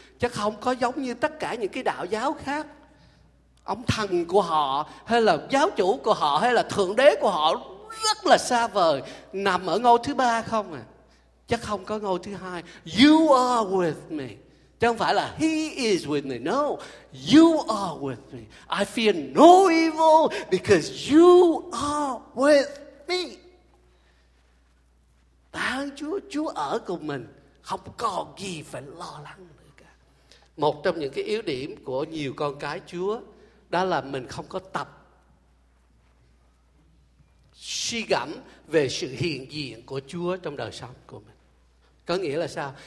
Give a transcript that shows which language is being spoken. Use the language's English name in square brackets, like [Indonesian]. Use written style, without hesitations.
[Vietnamese] Chứ không có giống như tất cả những cái đạo giáo khác. Ông thần của họ, hay là giáo chủ của họ, hay là thượng đế của họ rất là xa vời. Nằm ở ngôi thứ 3 không à? Chắc không có ngôi thứ 2. [English] You are with me. [Vietnamese] Chứ không phải là [English] he is with me. No, you are with me. I fear no evil because you are with me. [Vietnamese] Thánh Chúa, Chúa ở cùng mình. Không còn gì phải lo lắng nữa cả. Một trong những cái yếu điểm của nhiều con cái Chúa đó là mình không có tập suy gẫm về sự hiện diện của Chúa trong đời sống của mình. Có nghĩa là sao?